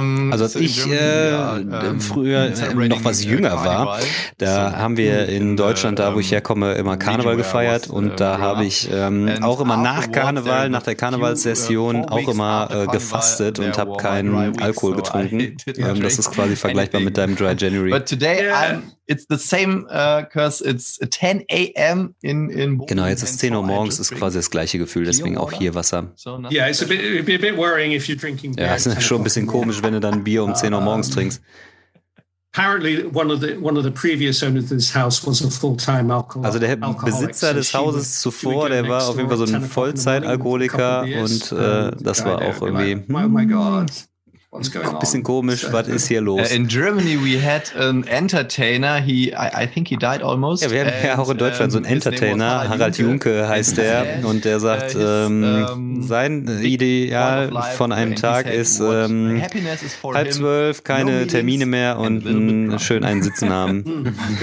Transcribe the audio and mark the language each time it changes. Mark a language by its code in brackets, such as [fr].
[de] also als ich früher noch was jünger war, da haben wir in Deutschland, da wo ich herkomme, immer Karneval gefeiert und da habe ich auch immer nach Karneval, nach der Karnevalssession auch immer gefastet und habe keinen Alkohol getrunken. Das ist quasi vergleichbar mit deinem Dry January. [en] But today it's the same, because it's 10 a.m. in Bochum. [de] Genau, jetzt ist 10 Uhr morgens, ist quasi das gleiche Gefühl, deswegen auch hier Wasser. [en] Yeah, it's a bit worrying if you're drinking beer. [de] Ja, ist schon ein bisschen komisch, wenn du dann Bier um 10 Uhr morgens trinkst. [en] Apparently one of the previous owners of this house was a full-time alcoholic. [de] Also der Besitzer des Hauses zuvor, der war auf jeden Fall so ein Vollzeit-Alkoholiker und das war auch irgendwie, [en] oh my God. [de] Ein bisschen komisch, was ist hier los? [en] In Germany we had an entertainer, I think he died almost. [de] Ja, wir haben ja auch in Deutschland so einen Entertainer, Harald Junke heißt er, und der sagt, sein Ideal von einem Tag ist, halb zwölf, keine Termine mehr und schön einen Sitzen haben.